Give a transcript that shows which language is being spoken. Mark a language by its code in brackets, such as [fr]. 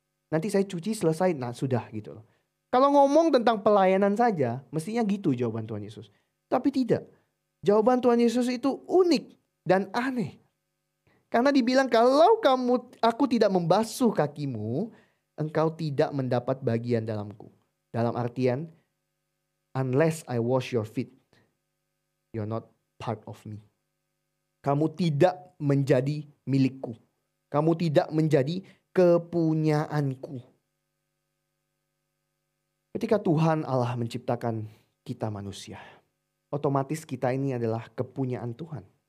[id] Nanti saya cuci selesai, nah sudah gitu loh. Kalau ngomong tentang pelayanan saja, mestinya gitu jawaban Tuhan Yesus. Tapi tidak, jawaban Tuhan Yesus itu unik dan aneh. Karena dibilang kalau aku tidak membasuh kakimu, engkau tidak mendapat bagian dalamku. Dalam artian, [en] unless I wash your feet, you're not part of me. [id] Kamu tidak menjadi milikku. Kamu tidak menjadi kepunyaanku. Ketika Tuhan Allah menciptakan kita manusia, otomatis kita ini adalah kepunyaan Tuhan.